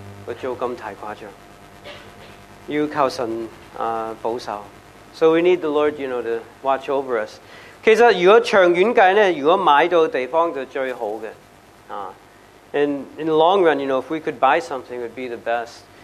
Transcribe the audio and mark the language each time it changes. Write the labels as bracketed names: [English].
[Cantonese] 個租金太誇張，要靠神保守。 [English] So we need the Lord, you know, to watch over us. [Cantonese] 其實如果長遠計咧，如果買到地方就最好嘅啊。 [English] And in the long run, you know, if we could buy something, it would be the best.